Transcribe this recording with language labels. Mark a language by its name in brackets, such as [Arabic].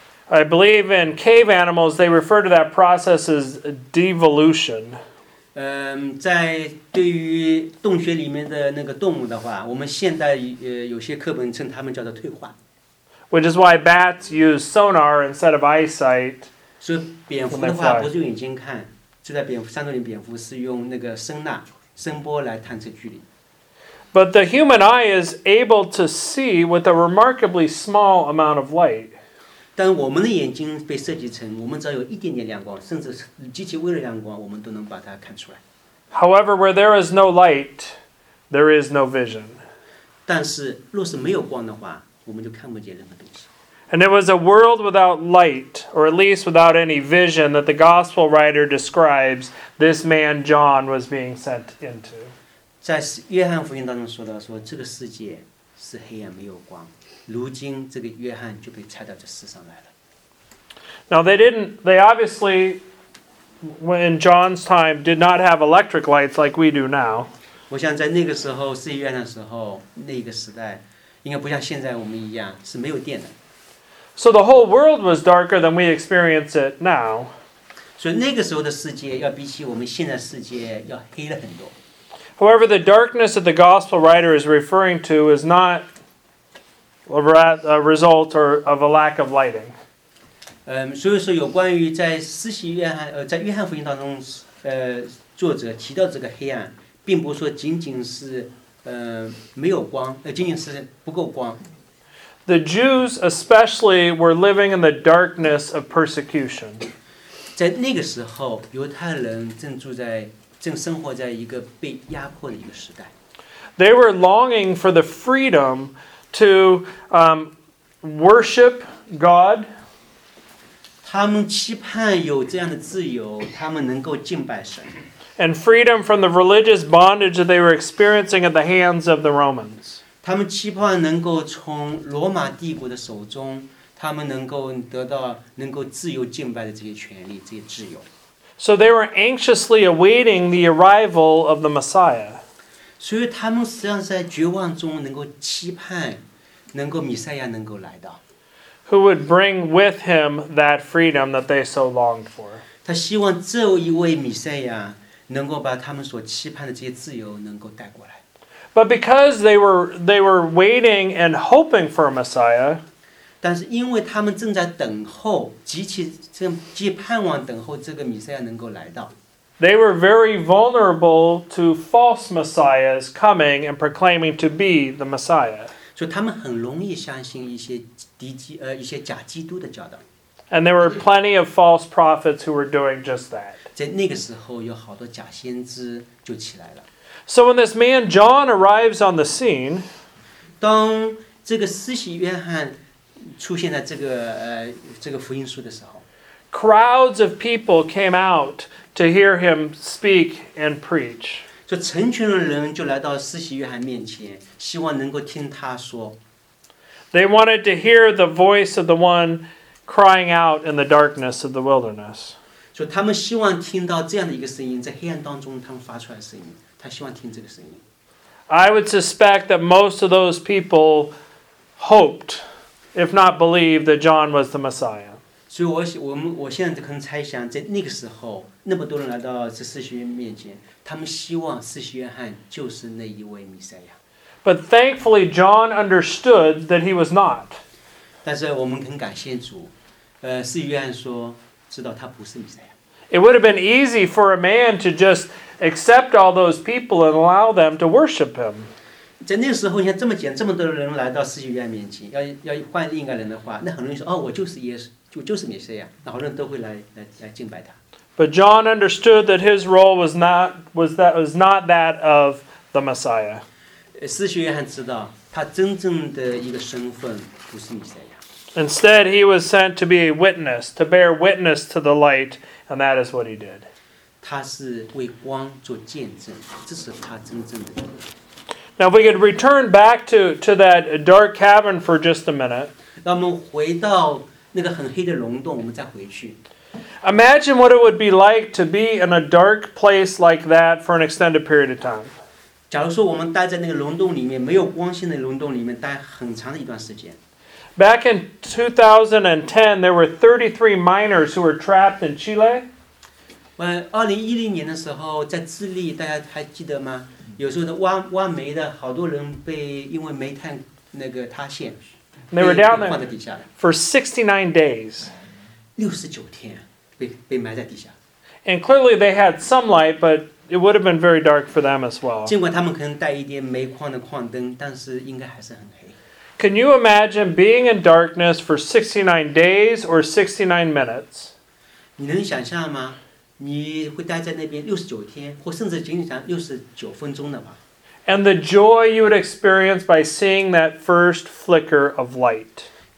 [English] I believe in cave animals, they refer to that process as devolution. [Chinese] 在对于洞穴里面的那个动物的话，我们现代有些课本称它们叫做退化。 [English] Which is why bats use sonar instead of eyesight. [Chinese] 所以蝙蝠的话不是用眼睛看，就在蝙蝠山洞里，蝙蝠是用那个声呐声波来探测距离。 [English] But the human eye is able to see with a remarkably small amount of light. [Chinese] 但我们的眼睛被设计成，我们只要有一点点亮光，甚至极其微弱亮光，我们都能把它看出来。 [English] However, where there is no light, there is no vision. [Chinese] 但是若是没有光的话，我们就看不见任何东西。 [English] And it was a world without light, or at least without any vision, that the gospel writer describes this man John was being sent into. [Chinese] 在约翰福音当中说到说这个世界是黑暗没有光，如今这个约翰就被差到这世上来了。 [English] Now they didn't, they obviously, in John's time, did not have electric lights like we do now. [Chinese] 我想在那个时候，世纪约翰的时候，那个时代应该不像现在我们一样是没有电的。 [English] So the whole world was darker than we experience it now. [Chinese] 所以那个时候的世界要比起我们现在世界要黑了很多。 [English] However, the darkness that the gospel writer is referring to is not a result or of a lack of lighting. [Chinese] 所以说有关于在施洗约翰在约翰福音当中作者提到这个黑暗，并不是说仅仅是没有光，仅仅是不够光。 [English] The Jews especially were living in the darkness of persecution. [Chinese] 在那个时候，犹太人正住在正生活在一个被压迫的一个时代。 [English] They were longing for the freedom to worship God. [Chinese] 他们期盼有这样的自由，他们能够敬拜神。 [English] And freedom from the religious bondage that they were experiencing at the hands of the Romans. [Chinese] 他们期盼能够从罗马帝国的手中，他们能够得到能够自由敬拜的这些权利，这些自由。 [English] So they were anxiously awaiting the arrival of the Messiah. [Chinese] 所以他们实际上在绝望中能够期盼，能够弥赛亚能够来到。 [English] Who would bring with him that freedom that they so longed for? [Chinese] 他希望这一位弥赛亚能够把他们所期盼的这些自由能够带过来。 [English] But because they were waiting and hoping for a Messiah. [Chinese] 但是因为他们正在等候，极其盼望等候这个弥赛亚能够来到。 [English] They were very vulnerable to false messiahs coming and proclaiming to be the Messiah. [Chinese] 所以他们很容易相信一些假基督的教导。 [English] And there were plenty of false prophets who were doing just that. [Chinese] 在那个时候，有好多假先知就起来了。 [English] So when this man John arrives on the scene, [Chinese] 当这个施洗约翰出现在这个福音书的时候， [English] crowds of people came out to hear him speak and preach. [Chinese] 就成群的人就来到施洗约翰面前，希望能够听他说。 [English] They wanted to hear the voice of the one crying out in the darkness of the wilderness. [Chinese] 就他们希望听到这样的一个声音，在黑暗当中他们发出来的声音，他希望听这个声音。 [English] I would suspect that most of those people hoped. If not believe that John was the Messiah. [Chinese] 所以我现在可能猜想，在那个时候，那么多人来到这施洗约翰面前，他们希望施洗约翰就是那一位弥赛亚。 [English] But thankfully, John understood that he was not. [Chinese] 但是我们很感谢主，施洗约翰说知道他不是弥赛亚。 [English] It would have been easy for a man to just accept all those people and allow them to worship him. [Chinese] 在那个时候，你看这么简，这么多人来到施洗约翰面前，要换另一个人的话，那很容易说，哦，我就是耶稣，就是弥赛亚，那好多人都会来敬拜他。 [English] But John understood that his role was not that of the Messiah. [Chinese] 施洗约翰知道他真正的一个身份不是弥赛亚。 [English] Instead, he was sent to be a witness, to bear witness to the light, and that is what he did. [Chinese] 他是为光做见证，这是他真正的。 [English] Now, if we could return back to that dark cavern for just a minute. [Chinese] 那我们回到那个很黑的溶洞，我们再回去。 [English] Imagine what it would be like to be in a dark place like that for an extended period of time. [Chinese] 假如说我们待在那个溶洞里面，没有光线的溶洞里面待很长的一段时间。 [English] Back in 2010, there were 33 miners who were trapped in Chile. [Chinese] 2010年的时候，在智利，大家还记得吗？有时候的挖煤的好多人被因为煤炭那个塌陷， [English] they were down there for 69 days. [Chinese] 69天被埋在底下。 [English] And clearly they had some light, but it would have been very dark for them as well. [Chinese] 尽管他们可能带一点煤矿的矿灯，但是应该还是很黑。 [English] Can you imagine being in darkness for 69 days or 69 minutes? [Chinese] 你能想象吗？你会待在那边69天，或甚至仅仅讲69分钟的吧。 [English] And the joy you would experience by seeing that first flicker of light.